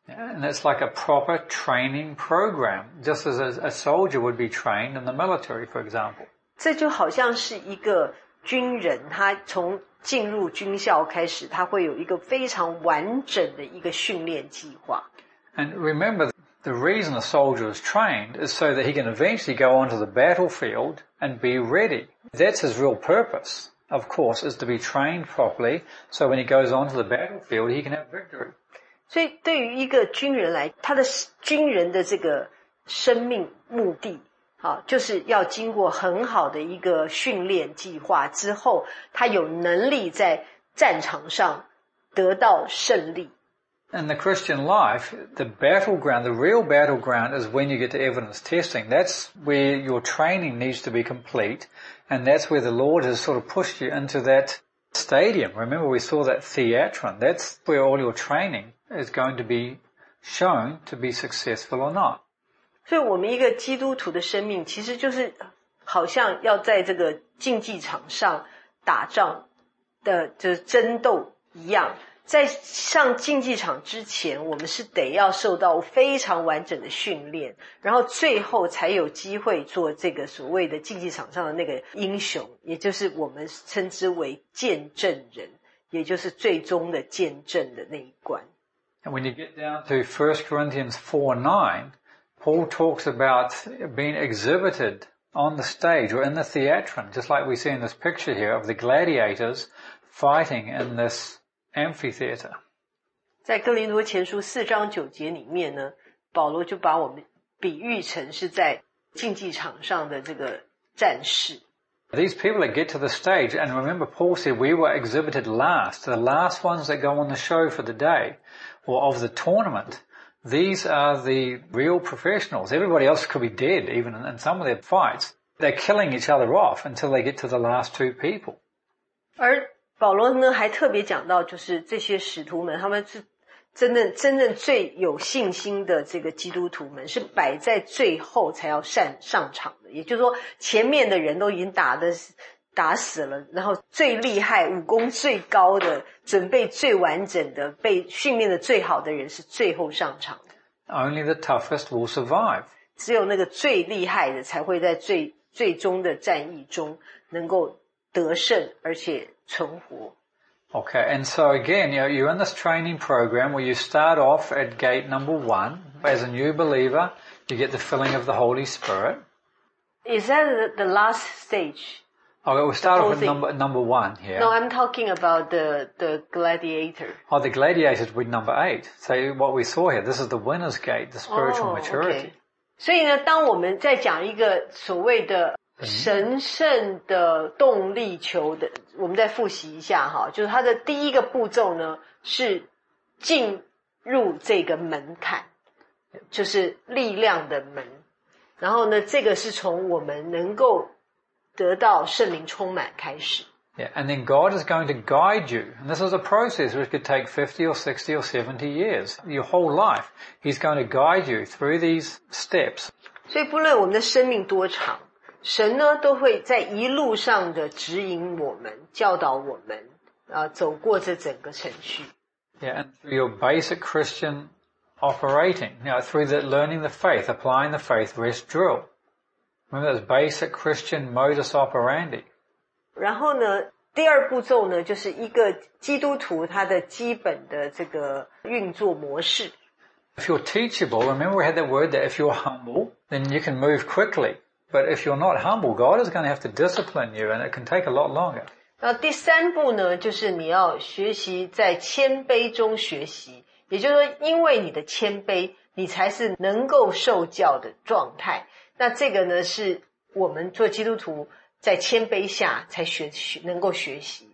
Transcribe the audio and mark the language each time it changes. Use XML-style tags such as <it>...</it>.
<en>And it's like a proper training program, just as a soldier would be trained in the military, for example.</en> <zh>这就好像是一个军人，他从进入军校开始，他会有一个非常完整的一个训练计划。</zh> <en>And remember,The reason a soldier is trained is so that he can eventually go onto the battlefield and be ready. That's his real purpose, of course, is to be trained properly so when he goes onto the battlefield, he can have victory.</en> <zh>所以对于一个军人来，他的军人的这个生命目的，就是要经过很好的一个训练计划之后，他有能力在战场上得到胜利。</zh> <en>In the Christian life, the battleground, the real battleground is when you get to evidence testing. That's where your training needs to be complete, and that's where the Lord has sort of pushed you into that stadium. Remember, we saw that theatron. That's where all your training is going to be shown to be successful or not.</en> <zh>所以我们一个基督徒的生命其实就是好像要在这个竞技场上打仗的就是争斗一样。在上竞技场之前，我们是得要受到非常完整的训练，然后最后才有机会做这个所谓的竞技场上的那个英雄，也就是我们称之为见证人，也就是最终的见证的那一关。</zh> <en>And when you get down to 1 Corinthians 4:9, Paul talks about being exhibited on the stage or in the theatron, just like we see in this picture here of the gladiators fighting in this Amphitheater.</en> <zh>在哥林多前书四章九节里面呢，保罗就把我们比喻成是在竞技场上的这个战士。</zh> <en>These people that get to the stage, and remember Paul said we were exhibited last, the last ones that go on the show for the day, or of the tournament, these are the real professionals. Everybody else could be dead even in some of their fights. they're killing each other off until they get to the last two people.</en> <zh>而保罗呢还特别讲到，就是这些使徒们，他们是真正最有信心的这个基督徒们，是摆在最后才要上场的。也就是说，前面的人都已经打死了，然后最厉害、武功最高的、准备最完整的、被训练的最好的人是最后上场的。</zh> <en>Only the toughest will survive.</en> <zh>只有那个最厉害的才会在最终的战役中能够得胜而且存活。</zh> <en>Okay, and so again, you know, you're in this training program where you start off at gate number one. As a new believer, you get the filling of the Holy Spirit. Is that the last stage? Okay, we'll start off at number one here. No, I'm talking about the gladiator. Oh, the gladiator with number eight. So what we saw here, this is the winner's gate, the spiritual maturity. Okay.</en> <zh>所以呢，当我们在讲一个所谓的神圣的动力球的，我们再复习一下哈，就是它的第一个步骤呢是进入这个门槛，就是力量的门。然后呢，这个是从我们能够得到圣灵充满开始。</zh> <en>Yeah, and then God is going to guide you. And this is a process which could take 50 or 60 or 70 years. Your whole life, He's going to guide you through these steps.</en> <zh>所以不论我们的生命多长，神呢都会在一路上的指引我们，教导我们，走过这整个程序。</zh> <en>Yeah, and through your basic Christian operating, you know, through the learning the faith, applying the faith rest drill. Remember that's basic Christian modus operandi.</en> <zh>然后呢，第二步骤呢，就是一个基督徒他的基本的这个运作模式。</zh> <en>If you're teachable, remember we had that word that if you're humble, then you can move quickly. But if you're not humble, God is going to have to discipline you, and it can take a lot longer.</en> <zh>那第三步呢，就是你要学习在谦卑中学习，也就是说，因为你的谦卑，你才是能够受教的状态。那这个呢，是我们做基督徒在谦卑下才能够学习。</zh>